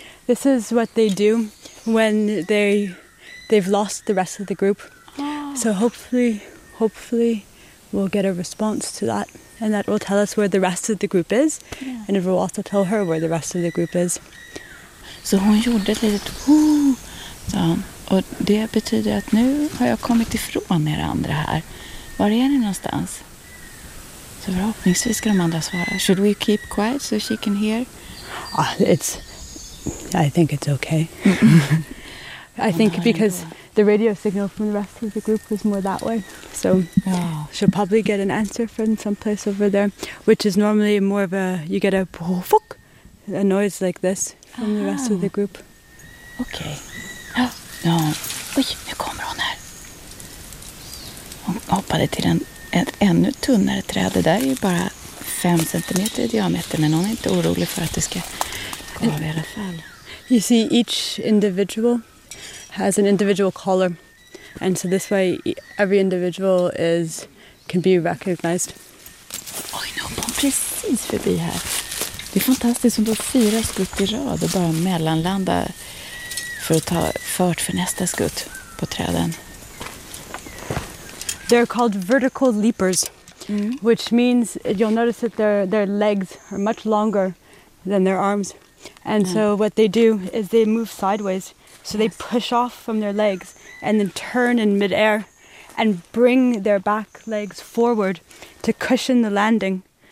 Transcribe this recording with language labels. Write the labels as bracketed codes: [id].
[en] This is what they do when they've lost the rest of the group. Oh. So hopefully we'll get a response to that. And that will tell us where the rest of the group is. Yeah. And it will also tell her where the rest of the group is. [sv] Så hon gjorde ett litet woo, sa hon. Och det betyder att nu har jag kommit ifrån er andra här. Var är ni någonstans? Så förhoppningsvis ska de andra svara. [en] Should we keep quiet so she can hear? I think it's okay. I think because the radio signal from the rest of the group was more that way. So she'll probably get an answer from someplace over there, which is normally more of a noise like this from the rest of the group. [sv] Okej. Okay. Oj, nu kommer hon här. Hon hoppade till ett ännu tunnare träd. Det där är ju bara 5 centimeter i diameter, men hon är inte orolig för att det ska gå av i alla fall. [en] You see, each individual has an individual caller, and so this way every individual can be recognized. [sv] Oj, nu hoppar hon precis förbi här. Det är fantastiskt, hon tog 4 skutt i rad och bara mellanlanda för att ta fart för nästa skutt på träden. [en] They're called vertical leapers, which means you'll notice that their legs are much longer than their arms. And so what they do is they move sideways. So they push off from their legs and then turn in midair and bring their back legs forward to cushion the landing.